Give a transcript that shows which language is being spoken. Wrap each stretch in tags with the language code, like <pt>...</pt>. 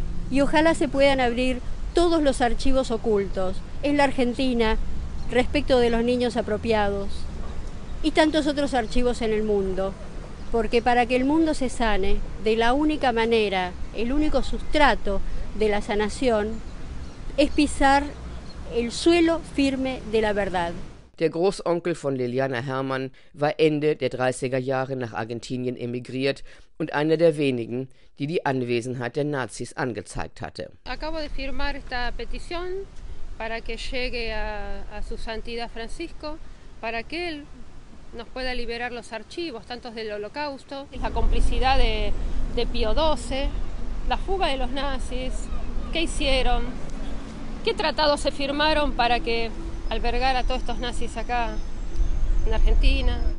<es>Y ojalá se puedan abrir todos los archivos ocultos en la Argentina respecto de los niños apropiados y tantos otros archivos en el mundo. Porque para que el mundo se sane, de la única manera, el único sustrato de la sanación, es pisar el suelo firme de la verdad.</es> <de>Der Großonkel von Liliana Hermann war Ende der 30er Jahre nach Argentinien emigriert und einer der wenigen, die die Anwesenheit der Nazis angezeigt hatte.</de> <es>Acabo de firmar esta petición para que llegue a su Santidad Francisco, para que él nos pueda liberar los archivos, tantos del Holocausto, la complicidad de Pío XII, la fuga de los nazis, qué hicieron, qué tratados se firmaron para que albergar a todos estos nazis acá en Argentina.</es>